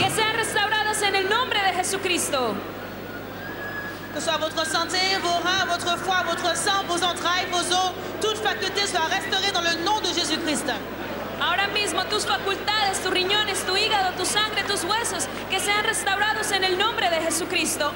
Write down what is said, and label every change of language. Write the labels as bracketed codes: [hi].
[es] Que sean restaurados en el nombre de Jesucristo. [fr] que ce soit votre santé, vos reins, votre foi, votre sang, vos entrailles, vos os, toute faculté soit restaurée dans le nom de Jésus-Christ. [es] Ahora mismo tus facultades, tus riñones, tu hígado, tu sangre, tus huesos, que sean restaurados en el nombre de Jesucristo.